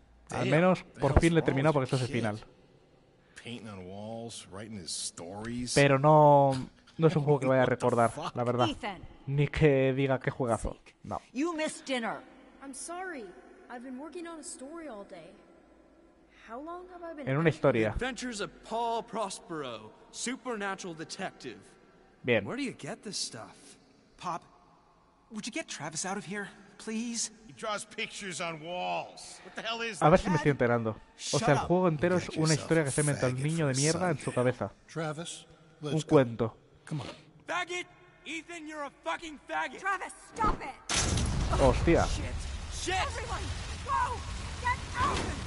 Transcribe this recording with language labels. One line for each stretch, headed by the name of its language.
Spanish: Al menos, por fin le he terminado porque esto es el final. Pero no es un juego que vaya a recordar, la verdad. Ni que diga qué juegazo. No.
English: You missed dinner. I'm sorry. I've been working on a story all day. How long have I been?
Spanish: En una historia.
English: Adventures of Paul Prospero, supernatural detective.
Spanish: Bien.
English: Where do you get this stuff? Pop, would you get Travis out of here, please? He draws pictures on walls. What the hell is that?
Spanish: A ver si me estoy enterando. O sea, el juego entero es una historia que se inventa el niño de mierda en su cabeza.
English: Travis,
Spanish: un cuento.
English: Come on. Faggot! Ethan, you're a fucking faggot! Travis, stop it!
Spanish: Hostia.
English: Shit! Everyone, go! Get out!